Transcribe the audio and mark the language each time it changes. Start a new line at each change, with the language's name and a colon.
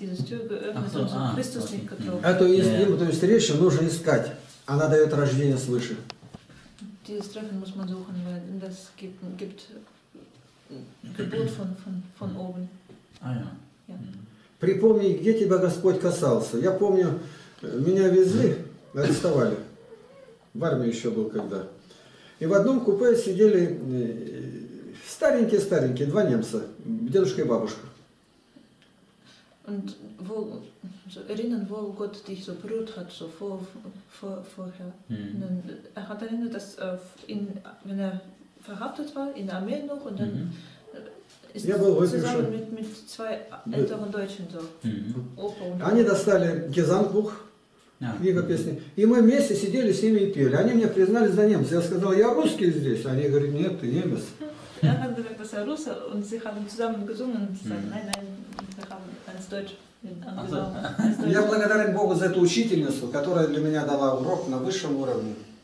Russian: Эту истину, эту встречу нужно искать. Она дает рождение свыше.
German: Dieses Treffen muss man suchen, weil das gibt Geburt von oben.
Russian: Припомни, где тебя Господь касался. Я помню, меня везли, арестовали. В армии еще был когда. И в одном купе сидели старенькие-старенькие, 2 немца, дедушка и бабушка.
German: Und wo, so erinnern, wo Gott dich so berührt hat, so vorher. Mhm. Dann, er hat erinnert, dass in, wenn er verhaftet war, in der Armee noch, und dann ist er zusammen schon mit zwei älteren Deutschen so.
Russian: Они достали Gesangbuch. Книга песни. И мы вместе сидели с ними и пели. Они меня признали за немца. Я сказал, я русский здесь. Они говорят, нет, ты немец. Я благодарен Богу за эту учительницу, которая для меня дала урок на высшем уровне.